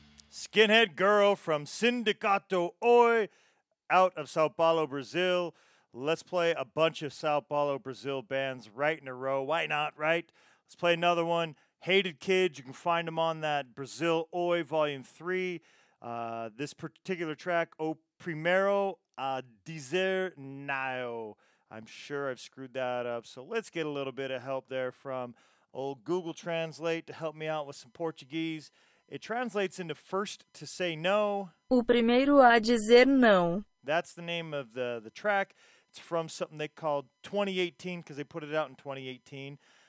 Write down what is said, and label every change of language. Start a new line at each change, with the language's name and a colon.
English: Skinhead Girl from Sindicato Oi out of Sao Paulo, Brazil. Let's play a bunch of Sao Paulo, Brazil bands right in a row. Why not, right? Let's play another one. Hated Kids. You can find them on that Brazil Oi Volume 3. This particular track, O Primeiro a Dizer Não. I'm sure I've screwed that up. So let's get a little bit of help there from old Google Translate to help me out with some Portuguese. It translates into first to say no.
Portuguese: O primeiro a dizer não.
English: That's the name of the track. It's from something they called 2018 because they put it out in 2018.